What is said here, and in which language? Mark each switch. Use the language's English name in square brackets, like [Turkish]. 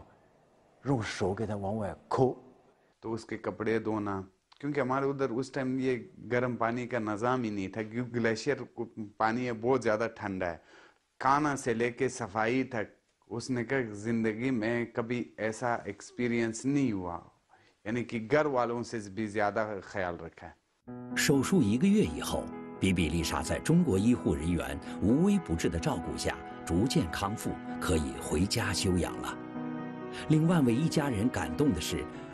[Chinese] 张永水回忆说：“术后为了照顾比比丽莎，中国医护人员分成三班，昼夜不停地陪在病床前，轮流给她按摩理疗。”印尼护士给我说呢，他说：“手术以后十几天，他这个病号不拉大便，结果这个医生检查呢，说这个他有便秘这个情况，那怎么办呢？最后说没有什么办法，就戴上手套，用手给他往外抠。” [Hindi] तो उसके कपड़े धोना क्योंकि हमारे उधर उस टाइम ये गर्म पानी का नजाम ही नहीं था क्योंकि ग्लेशियर को पानी है बहुत ज्यादा ठंडा है खाना से लेके सफाई तक उसने कहा जिंदगी में कभी ऐसा एक्सपीरियंस नहीं हुआ यानी कि घर वालों से भी ज्यादा ख्याल रखा [Chinese] 手术一个月以后，比比丽莎在中国医护人员无微不至的照顾下逐渐康复，可以回家休养了。另外为一家人感动的是。